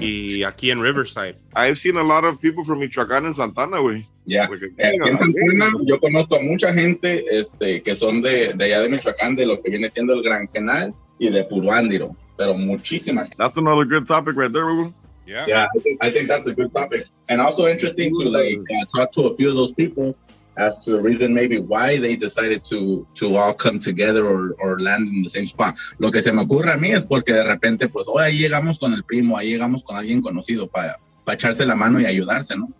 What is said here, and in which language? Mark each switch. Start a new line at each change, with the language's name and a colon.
Spanish: Y aquí en Riverside.
English: I've seen a lot of people from Michoacán
Spanish: en Santana, güey.
English: Yeah.
Spanish: En Santana, yo conozco a mucha gente que son de allá de Michoacán, de lo que viene siendo el Gran Genal y de Puruándiro, pero muchísima.
English: That's another good topic right there, Hugo. Yeah. I think that's a good topic. And also interesting to talk to a few of those people as to the reason maybe why they decided to all come together or land in the same spot.
Spanish: Lo que se me ocurre a mí es porque de repente, pues, ahí llegamos con el primo, ahí llegamos con alguien conocido para echarse la mano y ayudarse, ¿no?